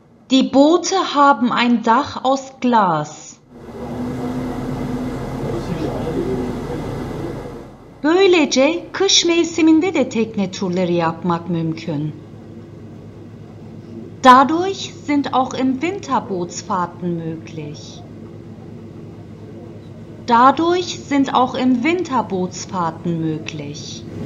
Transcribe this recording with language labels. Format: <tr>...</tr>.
<de>Die Boote haben ein Dach aus Glas.</de> <tr>Böylece kış mevsiminde de tekne turları yapmak mümkün.</tr> <de>Dadurch sind auch im Winter Bootsfahrten möglich. Dadurch sind auch im Winter Bootsfahrten möglich.</de>